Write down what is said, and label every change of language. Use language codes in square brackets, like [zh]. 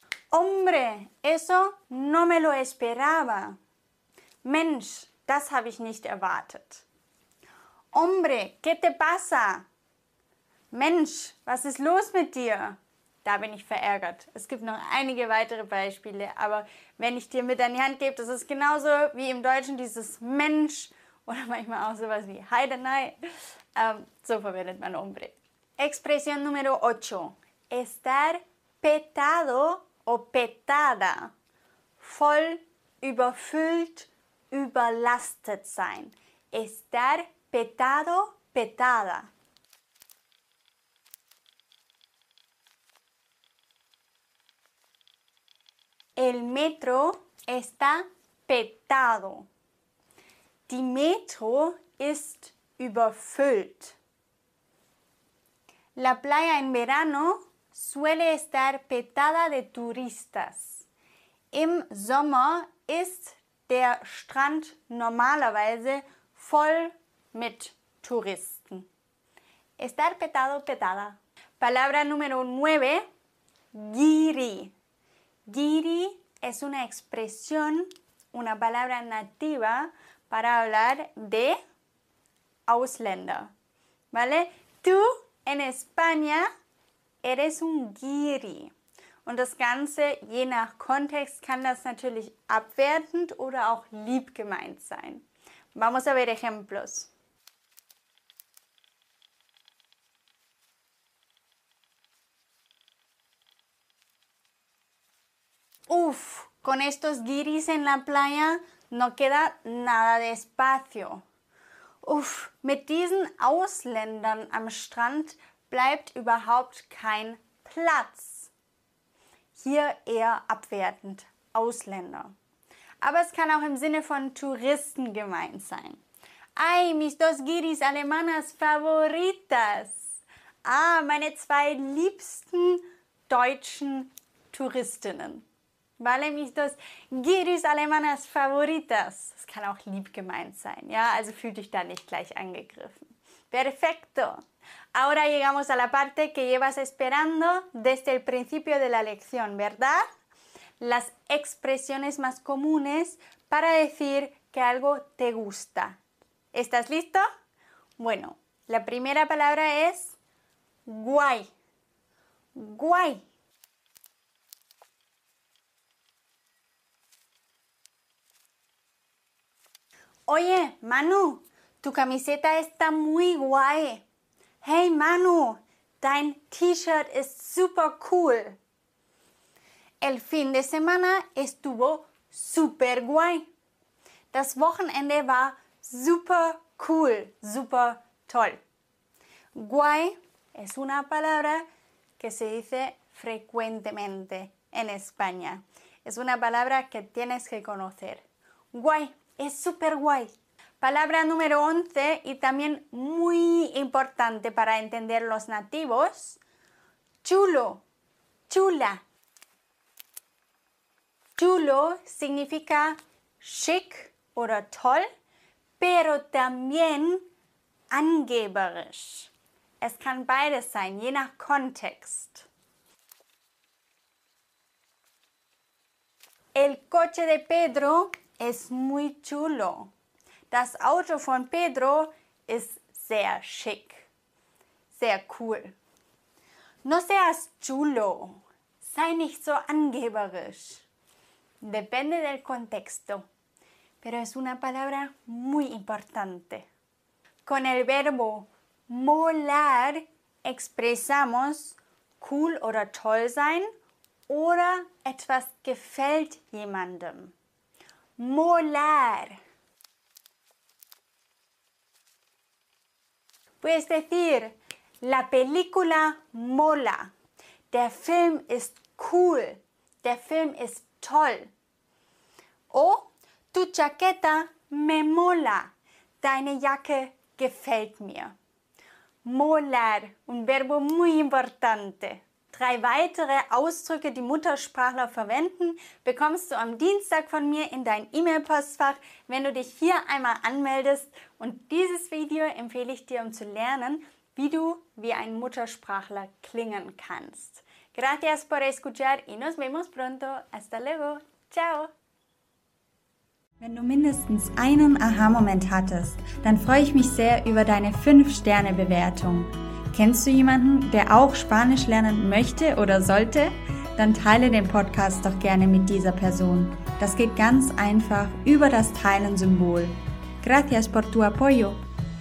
[es] Hombre, eso no me lo esperaba. [de] Mensch, das habe ich nicht erwartet. [es] Hombre, ¿qué te pasa? [de] Mensch, was ist los mit dir? Da bin ich verärgert. Es gibt noch einige weitere Beispiele, aber wenn ich dir mit an die Hand gebe, das ist genauso wie im Deutschen dieses Mensch oder manchmal auch sowas wie Heidenei. So verwendet man hombre. [es] Expresión número 8. Estar petado. O petada, [de] voll, überfüllt, überlastet sein. [es] Estar petado, petada. El metro está petado. [de] Die Metro ist überfüllt. [es] La playa en verano suele estar petada de turistas. [de] Im Sommer ist der Strand normalerweise voll mit Touristen. [es] Estar petado, petada. Palabra número 9. Giri. Giri es una expresión, una palabra nativa para hablar de Ausländer. ¿Vale? Tú en España eres un giri. [de] Und das Ganze, je nach Kontext, kann das natürlich abwertend oder auch lieb gemeint sein. [es] Vamos a ver ejemplos. Uf, con estos guiris en la playa no queda nada de espacio. [de] Uf, mit diesen Ausländern am Strand bleibt überhaupt kein Platz. Hier eher abwertend, Ausländer. Aber es kann auch im Sinne von Touristen gemeint sein. [es] Ay, mis dos guiris alemanas favoritas. [de] Ah, meine zwei liebsten deutschen Touristinnen. [es] Vale, mis dos guiris alemanas favoritas. [de] Das kann auch lieb gemeint sein, ja? Also fühl dich da nicht gleich angegriffen. [es] Perfecto. Ahora llegamos a la parte que llevas esperando desde el principio de la lección, ¿verdad? Las expresiones más comunes para decir que algo te gusta. ¿Estás listo? Bueno, la primera palabra es guay. Guay. Oye, Manu, tu camiseta está muy guay. [de] Hey Manu, dein T-Shirt ist super cool. [es] El fin de semana estuvo super guay. [de] Das Wochenende war super cool, super toll. [es] Guay es una palabra que se dice frecuentemente en España. Es una palabra que tienes que conocer. Guay es super guay. Palabra número 11 y también muy importante para entender los nativos. Chulo, chula. Chulo significa chic o toll, pero también angeberisch. [de] Es kann beides sein, je nach Kontext. [es] El coche de Pedro es muy chulo. [de] Das Auto von Pedro ist sehr schick, sehr cool. [es] No seas chulo, [de] sei nicht so angeberisch. [es] Depende del contexto, pero es una palabra muy importante. Con el verbo molar expresamos [de] cool oder toll sein oder etwas gefällt jemandem. [es] Molar. Puedes decir, la película mola. [de] Der Film ist cool. Der Film ist toll. [es] O, tu chaqueta me mola. [de] Deine Jacke gefällt mir. [es] Molar, un verbo muy importante. [de] Drei weitere Ausdrücke, die Muttersprachler verwenden, bekommst du am Dienstag von mir in dein E-Mail-Postfach, wenn du dich hier einmal anmeldest. Und dieses Video empfehle ich dir, um zu lernen, wie du wie ein Muttersprachler klingen kannst. [es] Gracias por escuchar y nos vemos pronto. Hasta luego. Ciao. [de] Wenn du mindestens einen Aha-Moment hattest, dann freue ich mich sehr über deine 5-Sterne-Bewertung. Kennst du jemanden, der auch Spanisch lernen möchte oder sollte? Dann teile den Podcast doch gerne mit dieser Person. Das geht ganz einfach über das Teilen-Symbol. [es] Gracias por tu apoyo.